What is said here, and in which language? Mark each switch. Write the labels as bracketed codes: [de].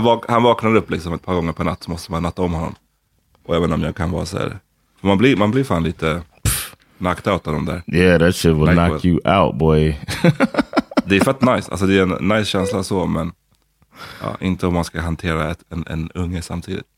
[sv] Han vaknar upp liksom ett par gånger på natt, så måste man natta om honom. Och jag vet inte om jag kan vara så här. Man blir fan lite [en] knocked out [sv] av dem där. [en] Yeah, that shit will knock you out, boy. [sv] Det är fett nice. Alltså det är en nice känsla så, men ja, inte om man ska hantera en unge samtidigt.